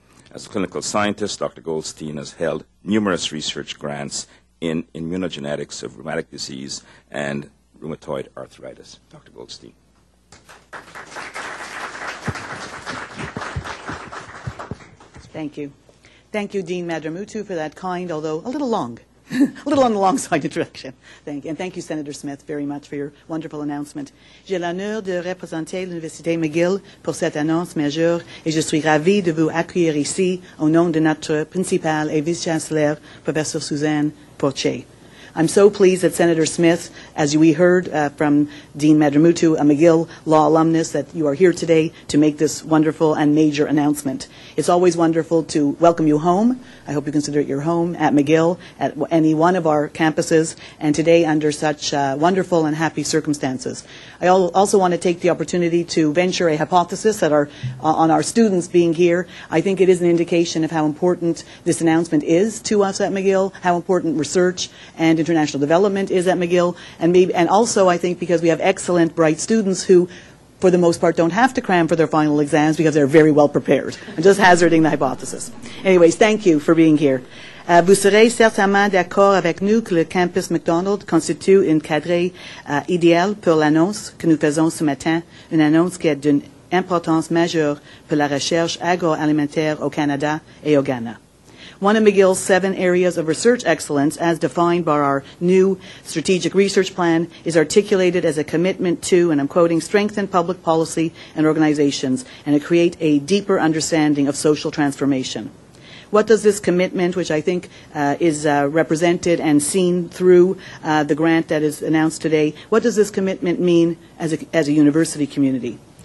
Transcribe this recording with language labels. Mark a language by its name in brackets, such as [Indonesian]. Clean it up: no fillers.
[English] As a clinical scientist, Dr. Goldstein has held numerous research grants in immunogenetics of rheumatic disease and rheumatoid arthritis. Dr. Goldstein. Thank you. Thank you, Dean Madramutu, for that kind, although a little long. A little on the long side introduction. Thank you. And thank you, Senator Smith, very much for your wonderful announcement. [French] J'ai l'honneur de représenter l'Université McGill pour cette annonce majeure, et je suis ravie de vous accueillir ici au nom de notre principale et vice-chancelier, Professor Suzanne Porcher. [English] I'm so pleased that Senator Smith, as we heard from Dean Madramutu, a McGill law alumnus, that you are here today to make this wonderful and major announcement. It's always wonderful to welcome you home. I hope you consider it your home at McGill, at any one of our campuses, and today under such wonderful and happy circumstances. I also want to take the opportunity to venture a hypothesis that on our students being here. I think it is an indication of how important this announcement is to us at McGill, how important research and international development is at McGill, and also I think because we have excellent, bright students who for the most part, don't have to cram for their final exams because they're very well prepared. I'm just hazarding the hypothesis. Anyways, thank you for being here. [French] Vous serez certainement d'accord avec nous que le campus McDonald constitue une cadre idéale pour l'annonce que nous faisons ce matin, une annonce qui est d'une importance majeure pour la recherche agroalimentaire au Canada et au Ghana. [English] One of McGill's seven areas of research excellence, as defined by our new strategic research plan, is articulated as a commitment to, and I'm quoting, strengthen public policy and organizations and to create a deeper understanding of social transformation. What does this commitment, which I think is represented and seen through the grant that is announced today, what does this commitment mean as a university community?